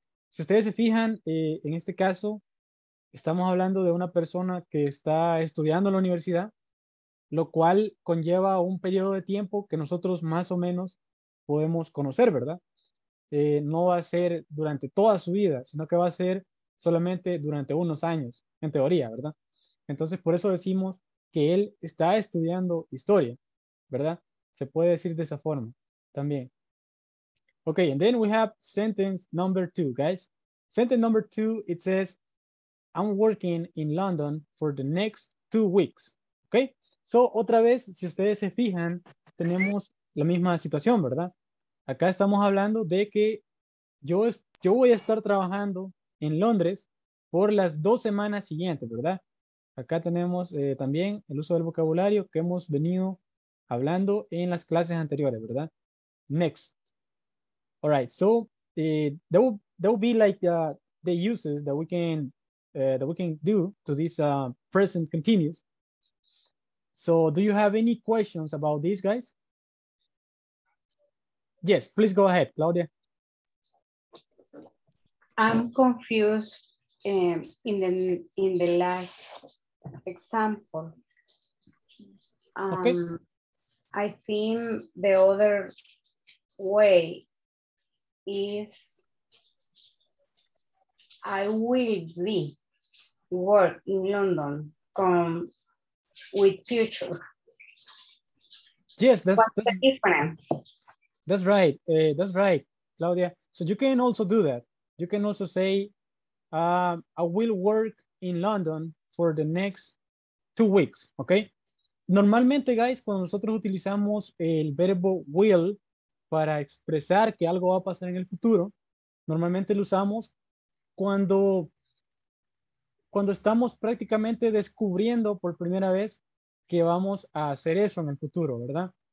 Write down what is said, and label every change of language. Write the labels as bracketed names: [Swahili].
[Spanish] Si ustedes se fijan, en este caso, estamos hablando de una persona que está estudiando en la universidad, lo cual conlleva un periodo de tiempo que nosotros más o menos podemos conocer, ¿verdad? No va a ser durante toda su vida, sino que va a ser solamente durante unos años, en teoría, ¿verdad? Entonces, por eso decimos que él está estudiando historia, ¿verdad? Se puede decir de esa forma también. [English] Okay, and then we have sentence number two, guys. Sentence number two, it says, I'm working in London for the next 2 weeks. Okay, so [Spanish] otra vez, si ustedes se fijan, tenemos la misma situación, ¿verdad? Acá estamos hablando de que yo voy a estar trabajando en Londres por las 2 semanas siguientes, ¿verdad? Acá tenemos también el uso del vocabulario que hemos venido hablando en las clases anteriores, ¿verdad? [English] Next. All right, so there will be like the uses that we can do to this present continuous. So do you have any questions about these guys? Yes, please go ahead, Claudia. I'm confused in the last example. Okay. I think the other way is I will be work in London with future. Yes, that's what's the difference. That's right. That's right, Claudia. So you can also do that. You can also say, I will work in London for the next 2 weeks, okay? [Spanish] Normalmente, guys, cuando nosotros utilizamos el verbo will para expresar que algo va a pasar en el futuro, normalmente lo usamos cuando estamos prácticamente descubriendo por primera vez que vamos a hacer eso en el futuro, ¿verdad?